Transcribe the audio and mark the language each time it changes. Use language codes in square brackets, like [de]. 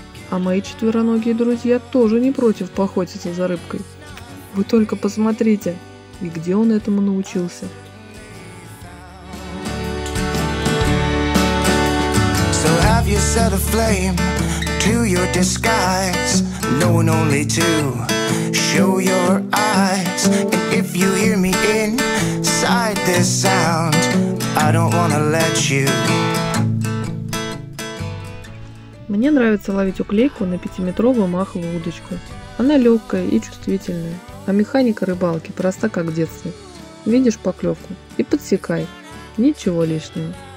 [ru] А мои четвероногие друзья тоже не против поохотиться за рыбкой. Вы только посмотрите, и где он этому научился. [en] So have you set a flame to your disguise, known only to show your eyes. And if you hear me inside this sound, I don't wanna let you. [ru] Мне нравится ловить уклейку на 5-метровую маховую удочку. Она легкая и чувствительная, а механика рыбалки проста, как в детстве. Видишь поклевку и подсекай. Ничего лишнего.